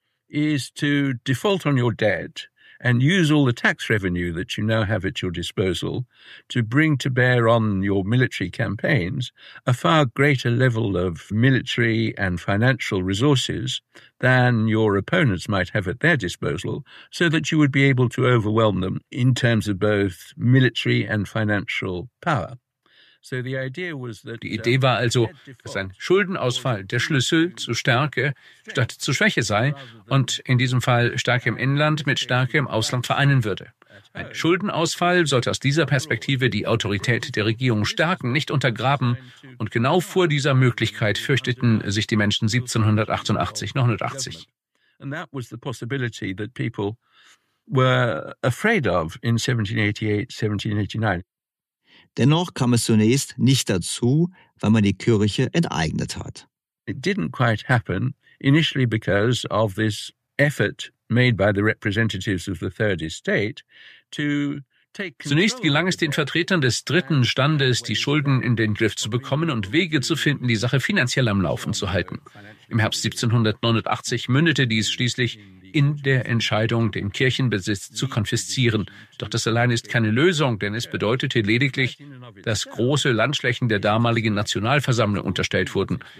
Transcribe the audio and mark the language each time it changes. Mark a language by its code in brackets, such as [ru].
[en] Is to default on your debt and use all the tax revenue that you now have at your disposal to bring to bear on your military campaigns a far greater level of military and financial resources than your opponents might have at their disposal, so that you would be able to overwhelm them in terms of both military and financial power. [de] Die Idee war also, dass ein Schuldenausfall der Schlüssel zu Stärke statt zu Schwäche sei und in diesem Fall Stärke im Inland mit Stärke im Ausland vereinen würde. Ein Schuldenausfall sollte aus dieser Perspektive die Autorität der Regierung stärken, nicht untergraben. Und genau vor dieser Möglichkeit fürchteten sich die Menschen 1788-89. [en] And that was the possibility that people were afraid of in 1788-1789. [de] Dennoch kam es zunächst nicht dazu, weil man die Kirche enteignet hat. [en] It didn't quite happen initially because of this effort made by the representatives of the Third Estate to [de] Zunächst gelang es den Vertretern des dritten Standes, die Schulden in den Griff zu bekommen und Wege zu finden, die Sache finanziell am Laufen zu halten. Im Herbst 1789 mündete dies schließlich in der Entscheidung, den Kirchenbesitz zu konfiszieren. Doch das allein ist keine Lösung, denn es bedeutete lediglich, dass große Landschlächen der damaligen Nationalversammlung unterstellt wurden.